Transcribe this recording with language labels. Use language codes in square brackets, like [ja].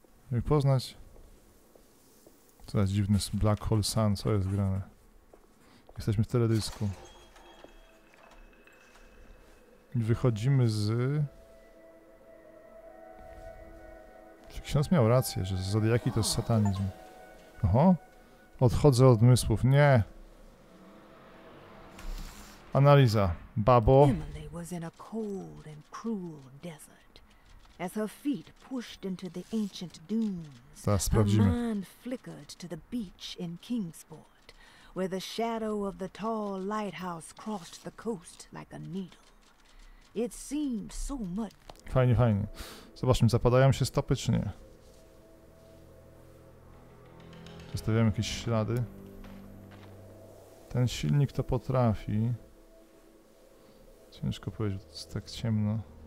[pl] Żeby poznać... Co jest dziwne, Black Hole Sun, co jest grane? Jesteśmy w teledysku. I wychodzimy z... Czy ksiądz miał rację, że zodiaki to jest satanizm? Oho, odchodzę od zmysłów. Nie. Analiza. Babo. [en] Emily was in a cold and cruel desert. As her feet pushed into the ancient dunes, her mind flickered to the beach in Kingsport, where the shadow of the tall lighthouse crossed the coast like a needle. It seemed so much. [pl] Fajnie, fajnie. Zobaczmy, zapadają się stopy czy nie. Zostawiamy jakieś ślady. Ten silnik to potrafi. Ciężko powiedzieć, bo to jest tak ciemno.